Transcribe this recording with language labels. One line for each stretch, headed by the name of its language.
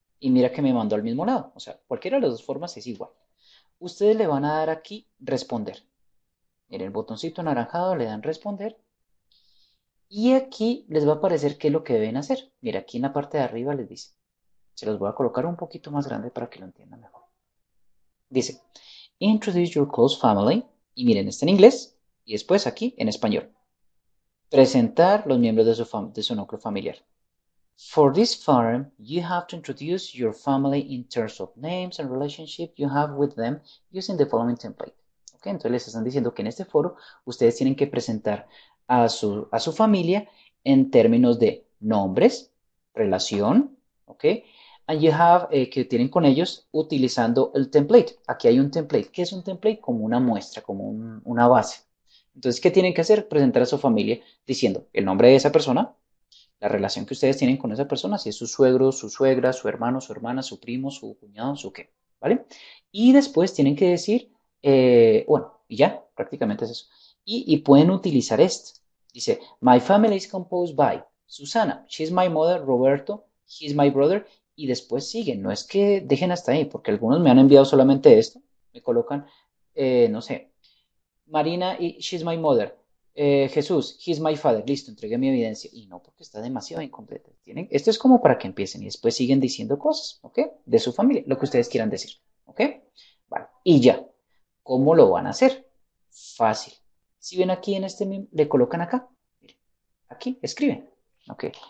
Spanish: Y mira que me mandó al mismo lado. O sea, cualquiera de las dos formas es igual. Ustedes le van a dar aquí responder. Miren el botoncito anaranjado, le dan responder. Y aquí les va a aparecer qué es lo que deben hacer. Mira, aquí en la parte de arriba les dice. Se los voy a colocar un poquito más grande para que lo entiendan mejor. Dice,
English: introduce your close family.
Spanish: Y miren, está en inglés. Y después aquí en español. Presentar los miembros de su núcleo familiar.
English: For this form, you have to introduce your family in terms of names and relationship you have with them using the following template.
Spanish: Okay, entonces les están diciendo que en este foro ustedes tienen que presentar a su familia en términos de nombres, relación, okay,
English: and you have
Spanish: que tienen con ellos utilizando el template. Aquí hay un template. ¿Qué es un template? Como una muestra, como una base. Entonces, ¿qué tienen que hacer? Presentar a su familia diciendo el nombre de esa persona, la relación que ustedes tienen con esa persona, si es su suegro, su suegra, su hermano, su hermana, su primo, su cuñado, su qué, ¿vale? Y después tienen que decir bueno, y ya, prácticamente es eso. Y pueden utilizar esto. Dice,
English: my family is composed by Susana, she is my mother, Roberto, he is my brother.
Spanish: Y después siguen, no es que dejen hasta ahí, porque algunos me han enviado solamente esto. Me colocan, no sé,
English: Marina, she is my mother, Jesús, he is my father.
Spanish: Listo, entregué mi evidencia. Y no, porque está demasiado incompleta. ¿Tienen? Esto es como para que empiecen y después siguen diciendo cosas, ¿ok? De su familia, lo que ustedes quieran decir, ¿ok? Vale, y ya. ¿Cómo lo van a hacer? Fácil. Si ven aquí en este meme, le colocan acá. Miren, aquí escriben. Ok.